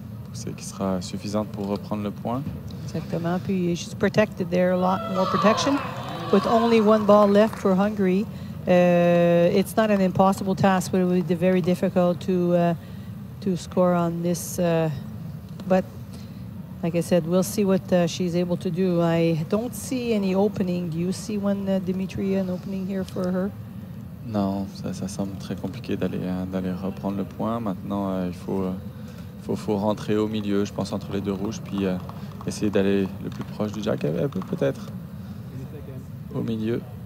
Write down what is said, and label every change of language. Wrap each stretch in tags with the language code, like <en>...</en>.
<fr>Poussée qui sera suffisante pour reprendre le point. Exactement.</fr> <en>Puis she's protected there, a lot more protection. With only one ball left for Hungary, it's not an impossible task, but it would be very difficult to score on this. But like I said, we'll see what she's able to do. I don't see any opening. Do you see one, Dimitri, an opening here for her?</en> <fr>Non, ça semble très compliqué d'aller reprendre le point. Maintenant, il faut rentrer au milieu, je pense, entre les deux rouges, puis essayer d'aller le plus proche du jack, peut-être, au milieu.</fr>